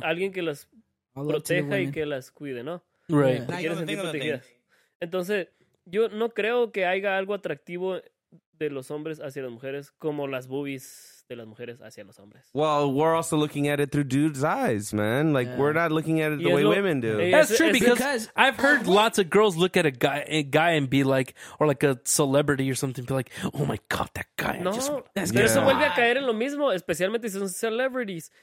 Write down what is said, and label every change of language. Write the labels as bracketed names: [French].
[Spanish] alguien que las I'll proteja y que las cuide, ¿no? [English] Right. [Spanish] Yeah. Quieren sentir protegidas. Entonces, yo no creo que haya algo atractivo de los hombres hacia las mujeres como las boobies de las mujeres hacia los hombres. [English] Well, we're also looking at it through dudes' eyes, man. Like, yeah. We're not looking at it the way women do. That's true, because I've heard lots of girls look at a guy and be like, or like a celebrity or something, be like, oh my God, that guy. [Spanish] No, pero eso vuelve a caer en lo mismo, especialmente si son celebrities.